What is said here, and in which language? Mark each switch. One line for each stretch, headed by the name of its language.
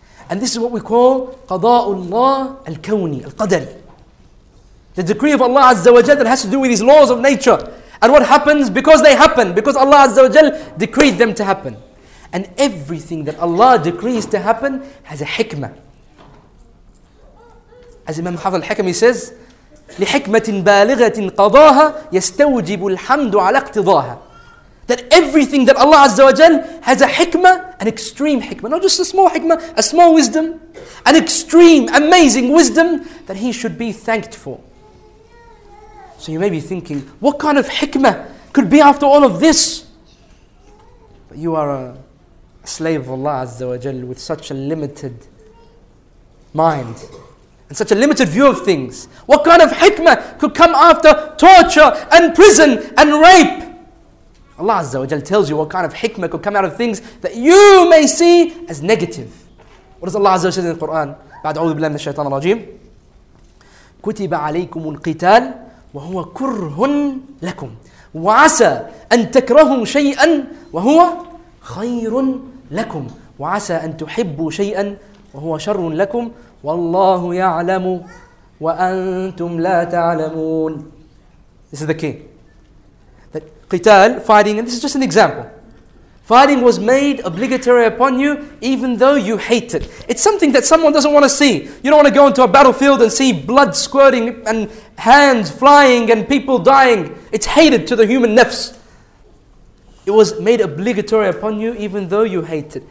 English: And this is what we call qada'ullah al-kawni, al-qadar. The decree of Allah Azza wa Jalla has to do with these laws of nature. And what happens? Because they happen. Because Allah Azza wa Jalla decreed them to happen. And everything that Allah decrees to happen has a hikmah. As Imam Hafiz al-Hakami says,
Arabic: لِحِكْمَةٍ بَالِغَةٍ قَضَاهَا يَسْتَوْجِبُ الْحَمْدُ عَلَى اقْتِضَاهَا.
English: That everything that Allah Azza wa Jal has a hikmah, an extreme hikmah, not just a small hikmah, a small wisdom, an extreme, amazing wisdom that he should be thanked for. So you may be thinking, what kind of hikmah could be after all of this? But you are a slave of Allah Azza wa Jal with such a limited mind and such a limited view of things. What kind of hikmah could come after torture and prison and rape? Allah Azza wa Jal tells you what kind of hikmah could come out of things that you may see as negative. What does Allah Azza wa Jal say in the Quran?
Arabic: بعد أعوذ بالله من الشيطان الرجيم. كتب عليكم القتال وهو كره لكم وعسى أن تكرهوا شيئا وهو خير لكم وعسى أن تحبوا شيئا وهو شر لكم والله يعلم وأنتم لا تعلمون.
English: This is the key. Qital, fighting, and this is just an example. Fighting was made obligatory upon you even though you hate it. It's something that someone doesn't want to see. You don't want to go into a battlefield and see blood squirting and hands flying and people dying. It's hated to the human nafs. It was made obligatory upon you even though you hate it.